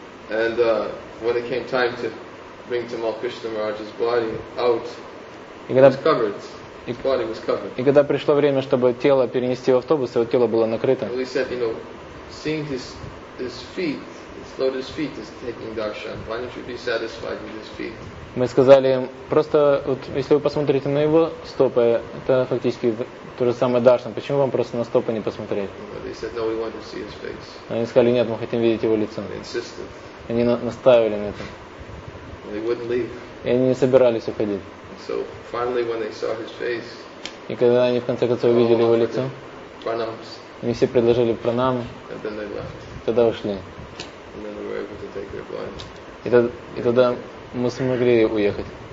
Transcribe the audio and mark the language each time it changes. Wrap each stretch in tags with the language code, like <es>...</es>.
<en>And when it came time to bring Timal Krishna Maharaj's body out, his body was covered.</en> <ru>И когда пришло время, чтобы тело перенести в автобус, его тело было накрыто.</ru> <en>And we said, you know, seeing his feet, his lotus feet is taking darshan. Why don't you be satisfied with his feet?</en> <ru>Мы сказали им, просто вот, если вы посмотрите на его стопы, это фактически то же самое даршан. Почему вам просто на стопы не посмотреть?</ru> <en>Said, no, we want to see his face.</en> <ru>Они сказали, нет, мы хотим видеть его лицо. Они настаивали на этом.</ru> <en>They wouldn't leave.</en> <ru>И они не собирались уходить.</ru> <en>So, finally, when they saw his face,</en> <ru>и когда они в конце концов увидели его лицо,</ru> <en>pranams.</en> <ru>Они все предложили пранамы,</ru> <en>and then they left.</en> <ru>Тогда ушли.</ru> <en>And then they were able to take their blinds.</en> <ru>И тогда мы смогли уехать.</ru>